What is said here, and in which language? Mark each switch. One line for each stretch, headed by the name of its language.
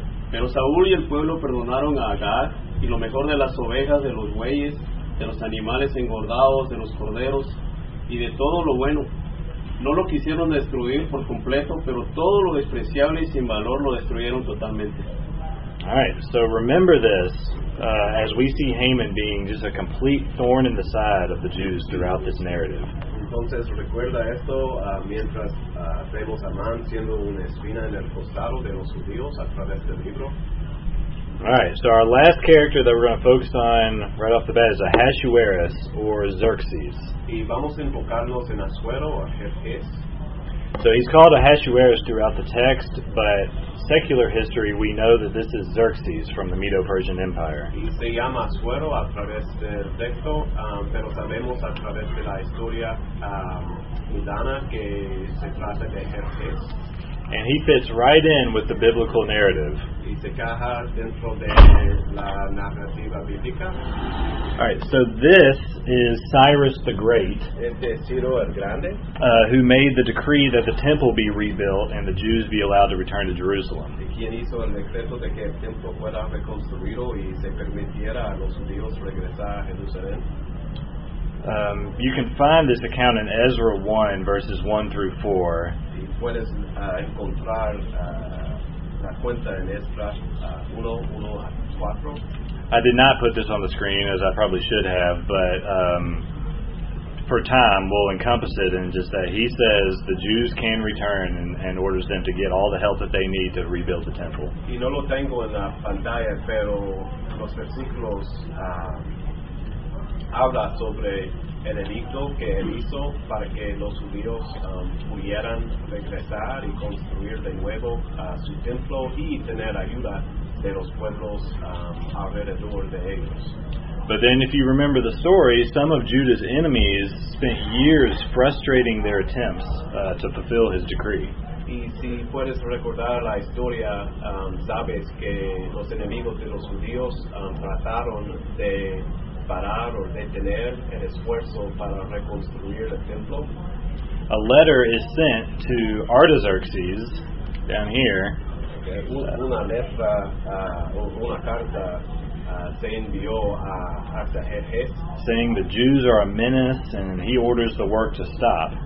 Spanish: Pero Saúl y el pueblo perdonaron a Agag, y lo mejor de las ovejas, de los bueyes, de los animales engordados, de los corderos, y de todo lo bueno. No lo quisieron destruir por completo, pero todo lo despreciable y sin valor lo destruyeron totalmente.
English: Alright, so remember this, as we see Haman being just a complete thorn in the side of the Jews throughout this narrative.
Spanish: Entonces recuerda esto mientras vemos a Amán siendo una espina en el costado de los judíos a través del libro.
English: Alright, so our last character that we're going to focus on right off the bat is Ahasuerus, or Xerxes.
Spanish: Y vamos a enfocarnos en Asuero, o Jerjes.
English: So he's called Ahasuerus throughout the text, but secular history, we know that this is Xerxes from the Medo-Persian Empire.
Spanish: Y se llama Asuero a través del texto, pero sabemos a través de la historia mundana que se trata de Jerjes.
English: And he fits right in with the biblical narrative.
Spanish: Y se encaja dentro de la narrativa bíblica.
English: Alright, so this is Cyrus the Great,
Spanish: este es Ciro el Grande,
English: who made the decree that the temple be rebuilt and the Jews be allowed to return to Jerusalem.
Spanish: Y quien hizo el decreto de que el templo fuera reconstruido y se permitiera a los judíos regresar a Jerusalén.
English: You can find this account in Ezra 1, verses 1 through 4.
Spanish: Y puedes encontrar la cuenta en Ezra 1:1-4.
English: I did not put this on the screen, as I probably should have, but for time, we'll encompass it in just that. He says the Jews can return and orders them to get all the help that they need to rebuild the temple.
Spanish: Y no lo tengo en la pantalla, pero los versículos habla sobre el edicto que él hizo para que los judíos pudieran regresar y construir de nuevo su templo y tener ayuda de los pueblos alrededor de ellos.
English: But then if you remember the story, some of Judah's enemies spent years frustrating their attempts to fulfill his decree.
Spanish: Y si puedes recordar la historia, sabes que los enemigos de los judíos trataron de parar o detener el esfuerzo para reconstruir el templo.
English: A letter is sent to Artaxerxes down here.
Spanish: Una letra o una carta se envió a Artaxerxes
English: saying the Jews are a menace and he orders the work to stop.